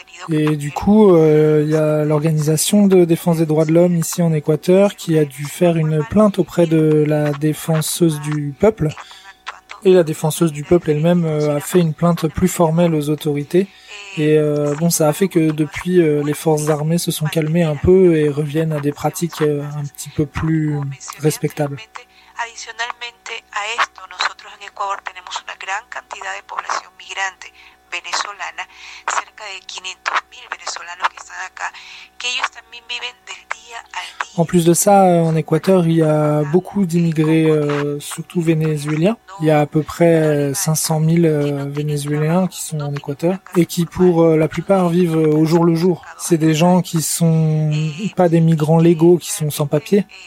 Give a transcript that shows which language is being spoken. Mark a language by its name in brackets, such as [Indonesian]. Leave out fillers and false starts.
[French] Et du coup, il y a l'organisation de défense des droits de l'homme ici en Équateur qui a dû faire une plainte auprès de la défenseuse du peuple. Et la défenseuse du peuple elle-même a fait une plainte plus formelle aux autorités. Et bon, ça a fait que depuis, les forces armées se sont calmées un peu et reviennent à des pratiques un petit peu plus respectables. [Spanish] Adicionalmente a esto, nosotros en Ecuador tenemos una gran cantidad de población migrante venezolana, cerca de 500.000 venezolanos que están acá, que ellos también viven del día al día. [French] En plus de ça, en Équateur, il y a beaucoup d'immigrés, surtout vénézuéliens. Il y a à peu près 500 000 vénézuéliens qui sont en Équateur et qui, pour la plupart, vivent au jour le jour. C'est des gens qui sont pas des migrants légaux, qui sont sans papier.